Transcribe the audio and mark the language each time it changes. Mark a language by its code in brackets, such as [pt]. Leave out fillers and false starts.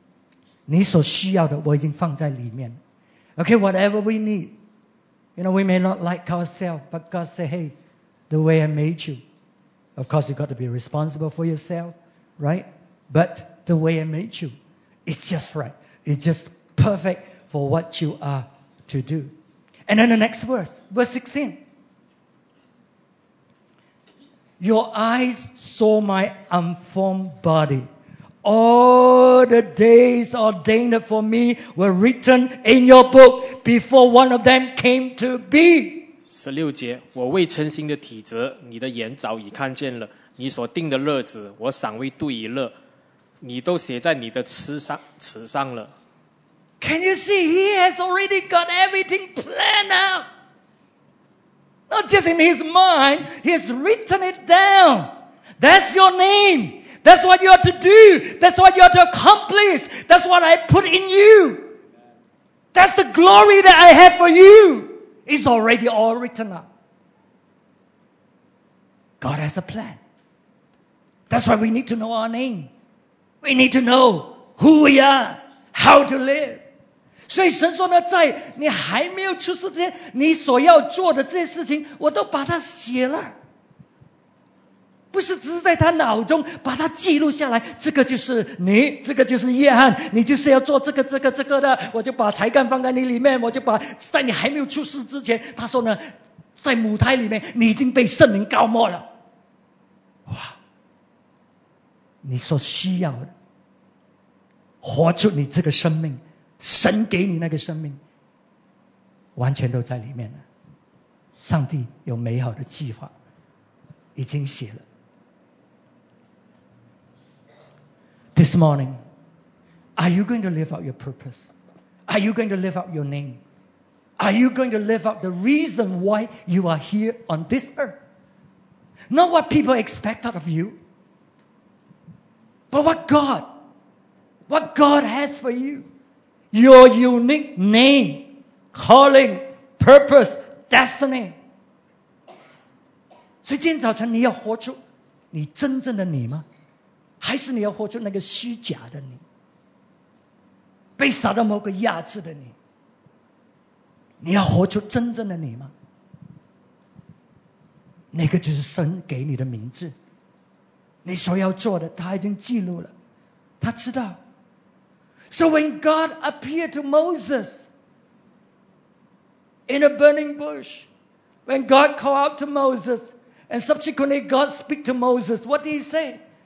[zh] 这个是太奇妙了。有时候我们不能够接纳我们自己，可是上帝说：“我造你，那个是最漂亮的。你不用跟别人比较，你所需要的我已经放在里面。” [en] Okay, whatever we need, you know, we may not like ourselves, but God say, "Hey, the way I made you, of course you got to be responsible for yourself, right? But the way I made you, it's just right. It's just perfect." For what you are to do. And then the next verse. Verse 16. Your eyes saw my unformed body. All the days ordained for me were written in your book before one of them came to be. [zh] 16节, 我未成形的体质, 你的眼早已看见了, 你所定的日子, 我尚未度已乐, 你都写在你的尺上了。 [en] Can you see he has already got everything planned out? Not just in his mind, he has written it down. That's your name. That's what you are to do. That's what you are to accomplish. That's what I put in you. That's the glory that I have for you. It's already all written up. God has a plan. That's why we need to know our name. We need to know who we are, how to live. [zh] 所以神说呢, 在你还没有出世之前, 你所要做的这些事情, 我都把它写了, 不是只是在他脑中, 把它记录下来, 这个就是你, 这个就是约翰, 你就是要做这个的, 我就把才干放在你里面, 我就把在你还没有出世之前, 他说呢, 在母胎里面, 你已经被圣灵膏抹了, 哇, 你所需要的, 活出你这个生命, 神给你那个生命, 完全都在里面了。上帝有美好的计划, 已经写了。 [en] This morning, are you going to live out your purpose? Are you going to live out your name? Are you going to live out the reason why you are here on this earth? Not what people expect out of you, but what God has for you. Your unique name, calling, purpose, destiny. [zh] 所以今天早晨你要活出你真正的你吗?还是你要活出那个虚假的你? 被撒旦魔鬼压制的你?你要活出真正的你吗? 那个就是神给你的名字。你所要做的他已经记录了, 他知道。 [en] So when God appeared to Moses in a burning bush, when God called out to Moses, and subsequently God speak to Moses, what did he say?